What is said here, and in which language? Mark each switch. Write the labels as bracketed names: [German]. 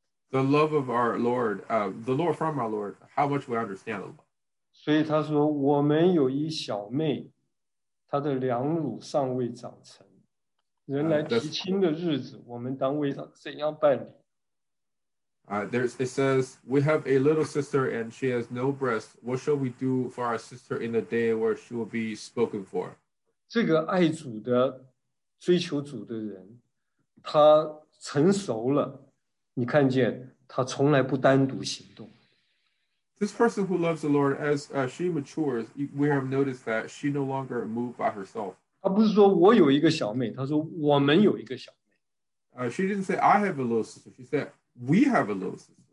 [English] the love of our Lord, the Lord from our Lord, how much we understand the love. [Chinese] 所以他说, 我们有一小妹, 她的两乳尚未长成, 人来提亲的日子, 我们当为她怎样办理? [English] It says, we have a little sister and she has no breast. What shall we do for our sister in the day where she will be spoken for? [Chinese] 这个爱主的, 追求主的人, 他成熟了，你看见他从来不单独行动。 [English] This person who loves the Lord, as she matures, we have noticed that she no longer moved by herself. [Chinese] 他不是说我有一个小妹，他说我们有一个小妹。 [English] She didn't say I have a little sister. She said we have a little sister.